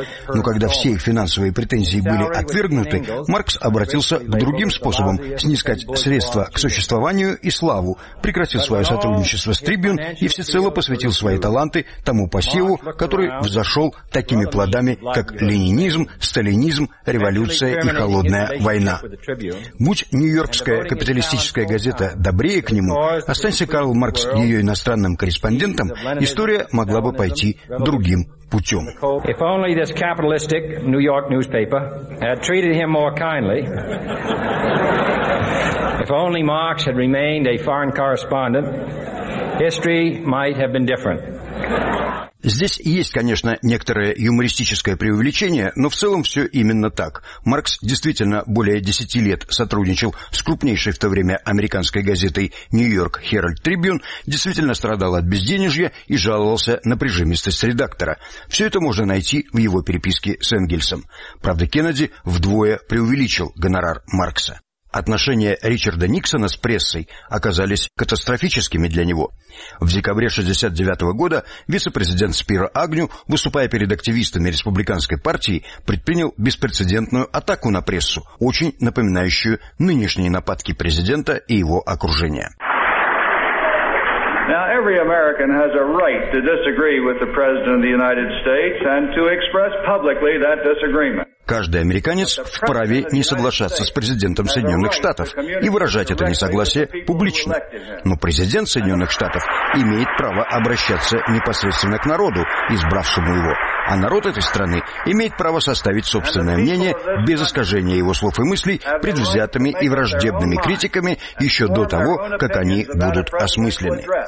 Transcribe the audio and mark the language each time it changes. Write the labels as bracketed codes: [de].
[ru] Но когда все их финансовые претензии были отвергнуты, Маркс обратился к другим способам снискать средства к существованию и славу, прекратил свое сотрудничество с Трибюн и всецело посвятил свои таланты тому посеву, который взошел такими плодами, как ленинизм, сталинизм, революция и холодная война. Будь нью-йоркская капиталистическая газета добрее к нему, останься Карл Маркс ее иностранным корреспондентом, история могла бы пойти другим путем. [en] If only this capitalistic New York newspaper had treated him more kindly. If only Marx had remained a foreign correspondent, history might have been different. [ru] Здесь есть, конечно, некоторое юмористическое преувеличение, но в целом все именно так. Маркс действительно более 10 лет сотрудничал с крупнейшей в то время американской газетой «Нью-Йорк Herald Tribune», действительно страдал от безденежья и жаловался на прижимистость редактора. Все это можно найти в его переписке с Энгельсом. Правда, Кеннеди вдвое преувеличил гонорар Маркса. Отношения Ричарда Никсона с прессой оказались катастрофическими для него. В декабре 1969 года вице-президент Спиро Агню, выступая перед активистами республиканской партии, предпринял беспрецедентную атаку на прессу, очень напоминающую нынешние нападки президента и его окружения. [en] Now every American has a right to disagree with the President of the United States and to express publicly that disagreement. [ru] Каждый американец вправе не соглашаться с президентом Соединенных Штатов и выражать это несогласие публично. Но президент Соединенных Штатов имеет право обращаться непосредственно к народу, избравшему его, а народ этой страны имеет право составить собственное мнение без искажения его слов и мыслей предвзятыми и враждебными критиками еще до того, как они будут осмыслены.